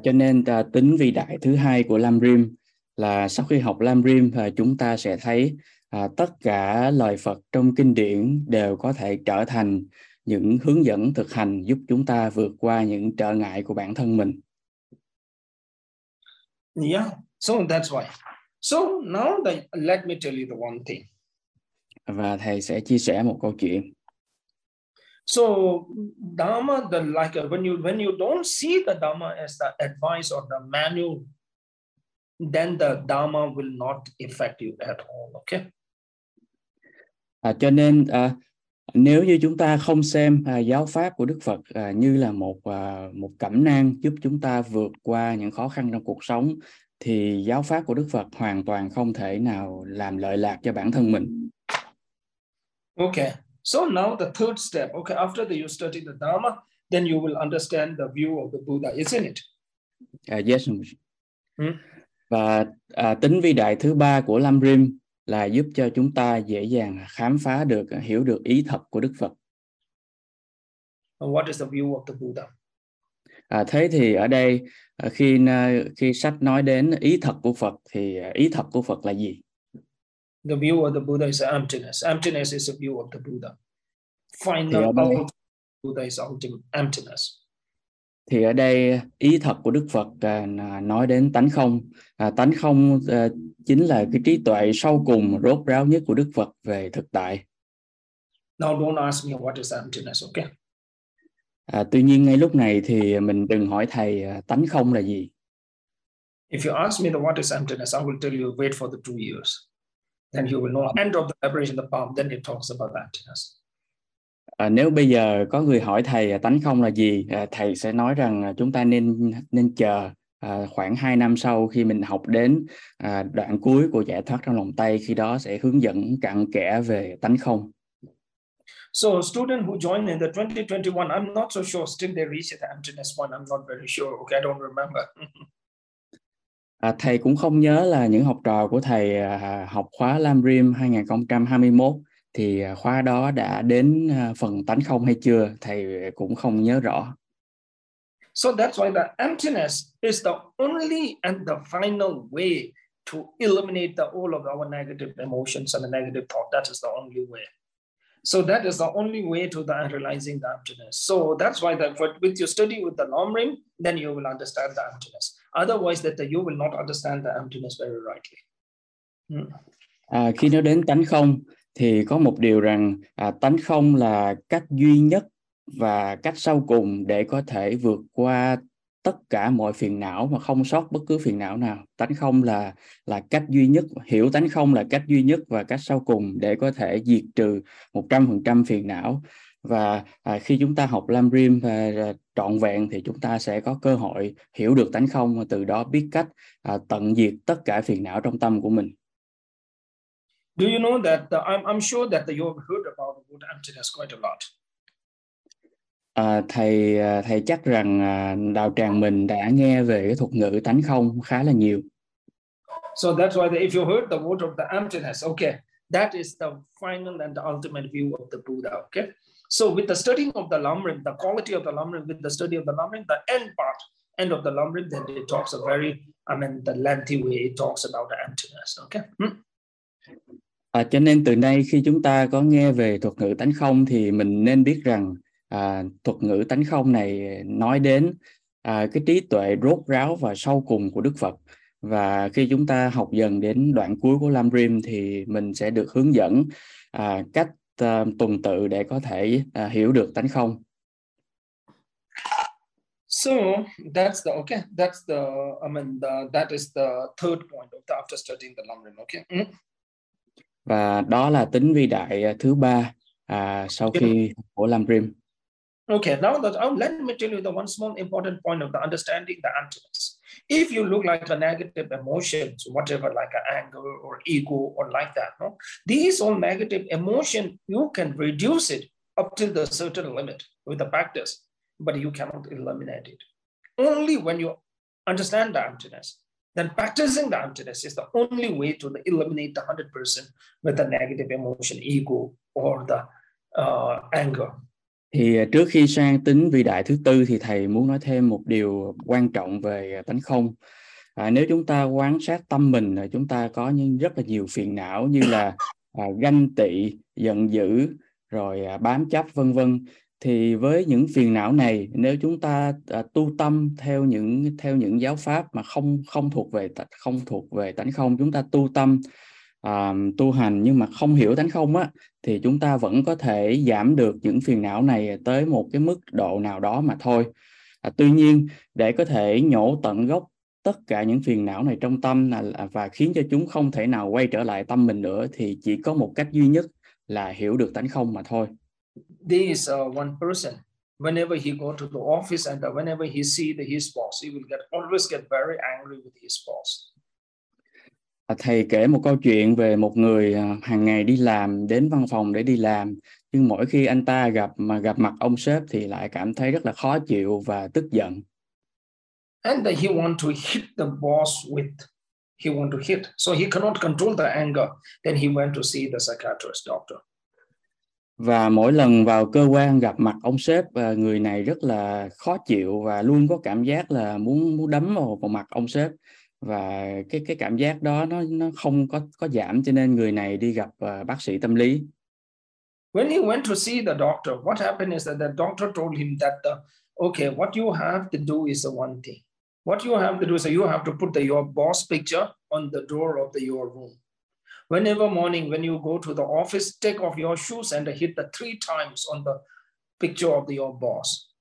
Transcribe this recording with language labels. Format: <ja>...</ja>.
<vi>Cho nên tính vĩ đại thứ hai của Lam Rim là sau khi học Lam Rim, chúng ta sẽ thấy tất cả lời Phật trong kinh điển đều có thể trở thành những hướng dẫn thực hành giúp chúng ta vượt qua những trở ngại của bản thân mình.</vi> <en>Yeah, so that's why. So now let me tell you the one thing.</en> <vi>Và thầy sẽ chia sẻ một câu chuyện.</vi> <en>So Dharma, the like when you don't see the Dharma as the advice or the manual, then the Dharma will not affect you at all. Okay.</en> <vi>Cho nên nếu như chúng ta không xem giáo pháp của Đức Phật như là một một cẩm nang giúp chúng ta vượt qua những khó khăn trong cuộc sống, thì giáo pháp của Đức Phật hoàn toàn không thể nào làm lợi lạc cho bản thân mình.</vi> <en>Okay. So now the third step. Okay, after that you study the Dharma, then you will understand the view of the Buddha, isn't it? Yes. Hmm?</en> <vi>Và tính vĩ đại thứ ba của Lam Rim là giúp cho chúng ta dễ dàng khám phá được, hiểu được ý thật của Đức Phật.</vi> <en>What is the view of the Buddha?</en> <vi>Thế thì ở đây khi sách nói đến ý thật của Phật thì ý thật của Phật là gì?</vi> <en>The view of the Buddha is emptiness. Emptiness is the view of the Buddha. Final</en> <vi>thì ở đây,</vi> <en>Buddha is ultimate emptiness.</en> <vi>Thì ở đây ý thật của Đức Phật nói đến tánh không. Tánh không chính là cái trí tuệ sâu cùng rốt ráo nhất của Đức Phật về thực tại.</vi> <en>Now don't ask me what is emptiness, okay?</en> <vi>Tuy nhiên ngay lúc này thì mình đừng hỏi thầy tánh không là gì.</vi> <en>If you ask me the what is emptiness, I will tell you wait for the 2 years. Then you will know end of the liberation of the palm, then it talks about emptiness.</en> <vi>Nếu bây giờ có người hỏi thầy tánh không là gì, thầy sẽ nói rằng chúng ta nên chờ khoảng 2 năm sau khi mình học đến đoạn cuối của giải thoát trong lòng tay, khi đó sẽ hướng dẫn cặn kẽ về tánh không.</vi> <en>So student who joined in the 2021, I'm not so sure still they reached the emptiness point. I'm not very sure. Okay, I don't remember.</en> <vi>Thầy cũng không nhớ là những học trò của thầy học khóa Lam Rim 2021 thì khóa đó đã đến phần tánh không hay chưa, thầy cũng không nhớ rõ.</vi> <en>So that's why the emptiness is the only and the final way to eliminate the all of our negative emotions and the negative thought. That is the only way. So that is the only way to the realizing the emptiness. So that's why that with your study with the Lam Rim, then you will understand the emptiness. Otherwise that you will not understand the emptiness very rightly.</en> <vi>Khi nói đến tánh không thì có một điều rằng tánh không là cách duy nhất và cách sâu cùng để có thể vượt qua tất cả mọi phiền não mà không sót bất cứ phiền não nào. Tánh không là cách duy nhất, hiểu tánh không là cách duy nhất và cách sâu cùng để có thể diệt trừ 100% phiền não. Và khi chúng ta học Lam Rim trọn vẹn thì chúng ta sẽ có cơ hội hiểu được tánh không và từ đó biết cách tận diệt tất cả phiền não trong tâm của mình.</vi> <en>Do you know that I'm sure that you have heard about the word emptiness quite a lot.</en> <vi>Thầy chắc rằng đạo tràng mình đã nghe về cái thuật ngữ tánh không khá là nhiều.</vi> <en>So that's why if you heard the word of the emptiness, okay, that is the final and the ultimate view of the Buddha, okay? So with the studying of the Lam Rim, the quality of the Lam Rim, with the study of the Lam Rim, the end part, end of the Lam Rim, then it talks a very, I mean, the lengthy way it talks about the emptiness, okay?</en> <vi>Cho nên từ nay khi chúng ta có nghe về thuật ngữ tánh không thì mình nên biết rằng thuật ngữ tánh không này nói đến cái trí tuệ rốt ráo và sâu cùng của Đức Phật. Và khi chúng ta học dần đến đoạn cuối của Lam Rim thì mình sẽ được hướng dẫn cách tuần tự để có thể hiểu được tánh không.</vi> <en>So that's the okay. That's the I mean the, that is the third point of the, after studying the Lam Rim. Okay. Mm.</en> <vi>Và đó là tính vĩ đại thứ ba sau khi của Lam Rim.</vi> <en>Okay. Now that let me tell you the one small important point of the understanding the emptiness. If you look like a negative emotions, whatever, like an anger or ego or like that, no, these all negative emotion, you can reduce it up to the certain limit with the practice, but you cannot eliminate it. Only when you understand the emptiness, then practicing the emptiness is the only way to eliminate the 100% with the negative emotion, ego or the anger.</en> <vi>Thì trước khi sang tính vĩ đại thứ tư thì thầy muốn nói thêm một điều quan trọng về tánh không. Nếu chúng ta quan sát tâm mình, chúng ta có những rất là nhiều phiền não như là ganh tị, giận dữ, rồi bám chấp vân vân. Thì với những phiền não này, nếu chúng ta tu tâm theo những giáo pháp mà không thuộc về tánh không, chúng ta tu tâm tu hành nhưng mà không hiểu tánh không á, thì chúng ta vẫn có thể giảm được những phiền não này tới một cái mức độ nào đó mà thôi. Tuy nhiên, để có thể nhổ tận gốc tất cả những phiền não này trong tâm và khiến cho chúng không thể nào quay trở lại tâm mình nữa, thì chỉ có một cách duy nhất là hiểu được tánh không mà thôi.</vi> <en>This one person, whenever he go to the office and whenever he see the his boss, he will get always get very angry with his boss.</en> <vi>Thầy kể một câu chuyện về một người hàng ngày đi làm, đến văn phòng để đi làm, nhưng mỗi khi anh ta gặp mặt ông sếp thì lại cảm thấy rất là khó chịu và tức giận.</vi> <en>And he want to hit the boss with, he want to hit, so he cannot control the anger. Then he went to see the psychiatrist doctor.</en> <vi>Và mỗi lần vào cơ quan gặp mặt ông sếp, người này rất là khó chịu và luôn có cảm giác là muốn đấm vào mặt ông sếp. Và cái cảm giác đó nó không có giảm, cho nên người này đi gặp bác sĩ tâm lý.</vi> <en>When he went to see the doctor, what happened is that the doctor told him that okay, what you have to do is one thing. What you have to do is you have to put your boss picture on the door of your room. Whenever morning when you go to the office, take off your shoes and hit the 3 times on the picture of your boss.</en>